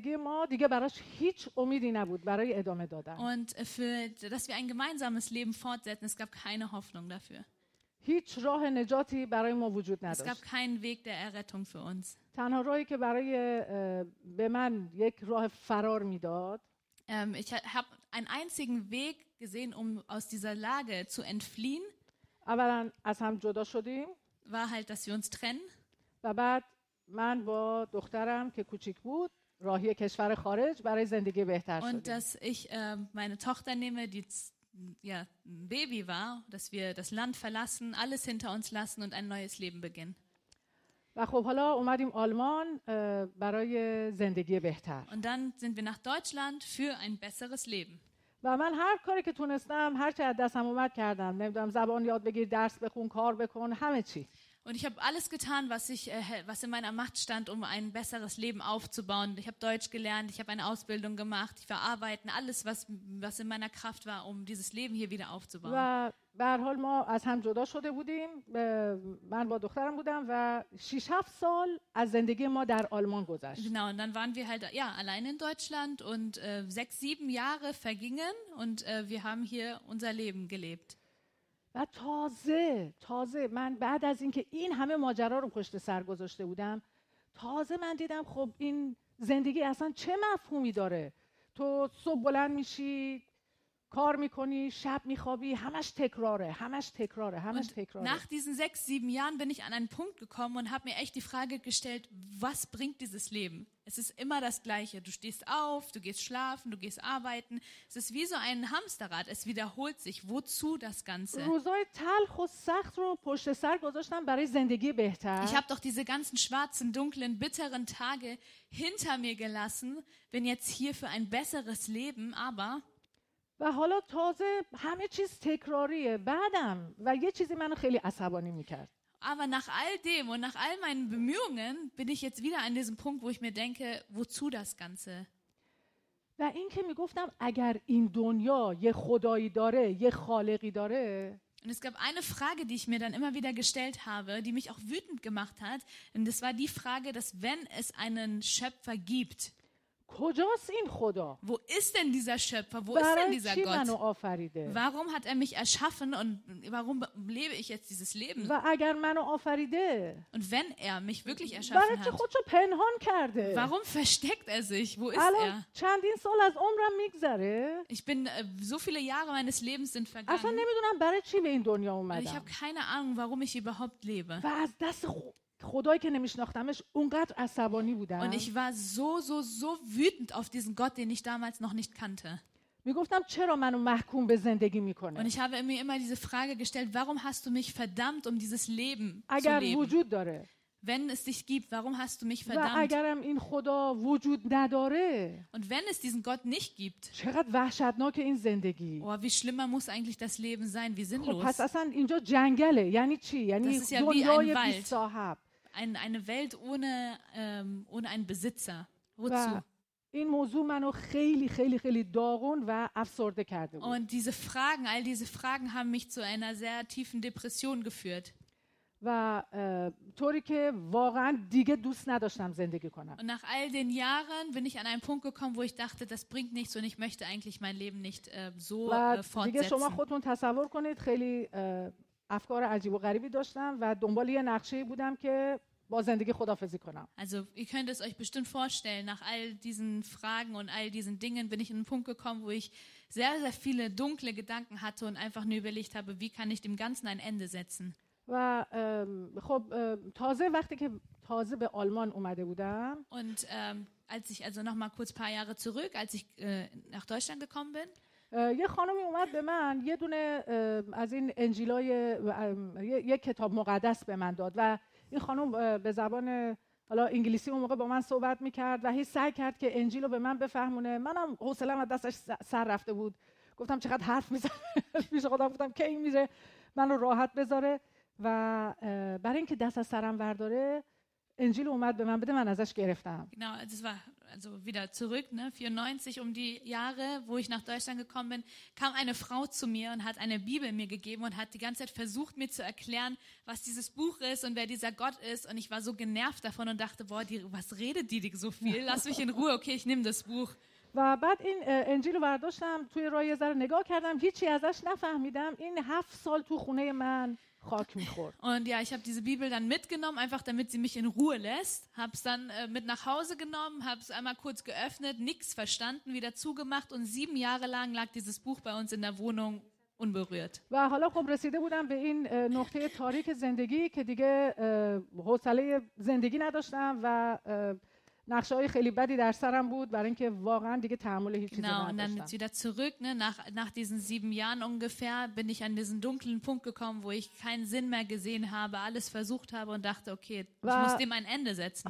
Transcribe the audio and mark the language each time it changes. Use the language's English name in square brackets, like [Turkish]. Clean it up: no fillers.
[German] Und dass wir ein gemeinsames Leben fortsetzen, es gab keine Hoffnung dafür. [Persian] هیچ راه نجاتی برای ما وجود نداشت. [German] Es gab keinen Weg der Errettung für uns. [Persian] تنها راهی که برای به من یک راه فرار میداد. [German] Ich habe einen einzigen Weg gesehen, um aus dieser Lage zu entfliehen. [Persian] اولا از هم جدا شدیم. [German] War halt, dass wir uns trennen. [Persian] و بعد من با دخترم که کوچک بود راهی کشور خارج برای زندگی بهتر شدیم. [German] Und dass ich meine Tochter nehme, die ja, ein Baby war, dass wir das Land verlassen, alles hinter uns lassen und ein neues Leben beginnen. [Persian] و خب حالا اومدیم آلمان برای زندگی بهتر. [German] Und dann sind wir nach Deutschland für ein besseres Leben. [Persian] و من هر کاری که تونستم هر چه از دستم اومد کردم. نمیدونم زبان یاد بگیر، درس بخون، کار بکن، همه چی. [German] Und ich habe alles getan, was in meiner Macht stand, um ein besseres Leben aufzubauen. Ich habe Deutsch gelernt, ich habe eine Ausbildung gemacht, ich war arbeiten, alles, was in meiner Kraft war, um dieses Leben hier wieder aufzubauen. [Persian] بر حال ما از هم جدا شده بودیم. من با دخترم بودم و 6-7 سال از زندگی ما در آلمان گذشت. [German] Genau, und dann waren wir halt ja allein in Deutschland und 6-7 Jahre vergingen und wir haben hier unser Leben gelebt. [Persian] و تازه من بعد از اینکه این همه ماجرا رو پشت سر گذاشته بودم، تازه من دیدم خب این زندگی اصلا چه مفهومی داره. تو صبح بلند میشی، کار میکنی، شب میخوابی، همش تکراره. [German] Nach diesen 6-7 Jahren bin ich an einen Punkt gekommen und habe mir echt die Frage gestellt, was bringt dieses Leben? Es ist immer das gleiche. Du stehst auf, du gehst schlafen, du gehst arbeiten. Es ist wie so ein Hamsterrad. Es wiederholt sich. Wozu das Ganze? [Persian] روزای تلخ و سخت رو پشت سر گذاشتم برای زندگی بهتر. [German] Ich habe doch diese ganzen schwarzen, dunklen, bitteren Tage hinter mir gelassen. Bin jetzt hier für ein besseres Leben, aber [Persian] و حالا تازه همه چیز تکراریه. بعدم و یه چیزی منو خیلی عصبانی می‌کرد. [German] Aber nach all dem und nach all meinen Bemühungen bin ich jetzt wieder an diesem Punkt, wo ich mir denke, wozu das Ganze? [Persian] و این که میگفتم اگر این دنیا یه خدایی داره، یه خالقی داره. [German] Und es gab eine Frage, die ich mir dann immer wieder gestellt habe, die mich auch wütend gemacht hat, und das war die Frage, dass wenn es einen Schöpfer gibt, [Persian] کجاست این خدا؟ [German] Wo ist denn dieser Schöpfer? Wo ist denn dieser Gott? [Persian] منو آفریده؟ [German] Warum hat er mich erschaffen und warum lebe ich jetzt dieses Leben? [Persian] و اگر منو آفریده؟ [German] Und wenn er mich wirklich erschaffen hat. [Persian] برای خودشو پنهان کرده. [German] Warum versteckt er sich? Wo ist er? [Persian] چندین سال از عمرم میگذره؟ [German] Ich bin so viele Jahre meines Lebens sind vergangen. [Persian] اصلا نمیدونم برای چی به این دنیا اومدم. [German] Ich habe keine Ahnung, warum ich überhaupt lebe. [Persian] و از دست خدایی که نمیشناختمش اونقدر عصبانی بودم. [German] Und ich war so wütend auf diesen Gott, den ich damals noch nicht kannte. [Persian] میگفتم چرا منو محکوم به زندگی میکنه؟ [German] Und ich habe mir immer diese Frage gestellt, warum hast du mich verdammt, um dieses Leben zu leben? [Persian] اگر وجود داره. [German] Wenn es dich gibt, warum hast du mich verdammt? [Persian] و اگرم این خدا وجود نداره. [German] Und wenn es diesen Gott nicht gibt. [Persian] چقدر وحشتناک این زندگی. [German] Oh, wie schlimmer muss eigentlich das Leben sein? Wie sinnlos. [Persian] خب پس اصلا اینجا جنگله. یعنی چی؟ یعنی دنیای بی‌صاحب. [German] Eine Welt ohne einen Besitzer. Wozu? Und diese Fragen, all diese Fragen haben mich zu einer sehr tiefen Depression geführt. Und nach all den Jahren bin ich an einen Punkt gekommen, wo ich dachte, das bringt nichts und ich möchte eigentlich mein Leben nicht so fortsetzen. [Persian] افکار عجیب و غریبی داشتم و دنبال یه نقشه بودم که با زندگی خدافظی کنم. [German] Also, ihr könnt es euch bestimmt vorstellen, nach all diesen Fragen und all diesen Dingen bin ich in einen Punkt gekommen, wo ich sehr sehr viele dunkle Gedanken hatte und einfach nur überlegt habe, wie kann ich dem Ganzen ein Ende setzen. [Persian] و خب تازه وقتی که تازه به آلمان اومده بودم [German] und als ich also noch mal kurz paar Jahre zurück, als ich nach Deutschland gekommen bin, [Persian] یه خانمی اومد به من یه دونه از این انجیلای یه کتاب مقدس به من داد و این خانم به زبان حالا انگلیسی اون موقع با من صحبت می‌کرد و هی سعی کرد که انجیلو به من بفهمونه. منم حوصله‌ام از دستش سر رفته بود، گفتم چقدر حرف می‌زنه، پیش خودم گفتم کی میره منو راحت بذاره و برای اینکه دست از سرم برداره انجیل اومد به من بده، من ازش گرفتم. [German] Also wieder zurück, ne, 94 um die Jahre, wo ich nach Deutschland gekommen bin, kam eine Frau zu mir und hat eine Bibel mir gegeben und hat die ganze Zeit versucht, mir zu erklären, was dieses Buch ist und wer dieser Gott ist. Und ich war so genervt davon und dachte, boah, was redet die so viel? Lass mich in Ruhe, okay, ich nehme das Buch. [Persian] و بعد این انجیل رو برداشتم، توی رای زر نگاه کردم، هیچی ازش نفهمیدم، این 7 سال تو خونه من خاک میخورد. [German] Und ja, ich habe diese Bibel dann mitgenommen, einfach damit sie mich in Ruhe lässt. Hab's dann mit nach Hause genommen, hab's einmal kurz geöffnet, nichts verstanden, wieder zugemacht und 7 Jahre lang lag dieses Buch bei uns in der Wohnung unberührt. [Persian] و حالا خب رسیده بودم به این نقطه تاریک زندگی که دیگه حوصله زندگی نداشتم و نقشه‌های خیلی بدی در سرم بود برای اینکه واقعا دیگه تحمل هیچ چیزی نداشتم. [German] Genau, und dann wieder zurück, ne, nach diesen 7 Jahren ungefähr bin ich an diesen dunklen Punkt gekommen, wo ich keinen Sinn mehr gesehen habe, alles versucht habe und dachte, okay, ich muss dem ein Ende setzen.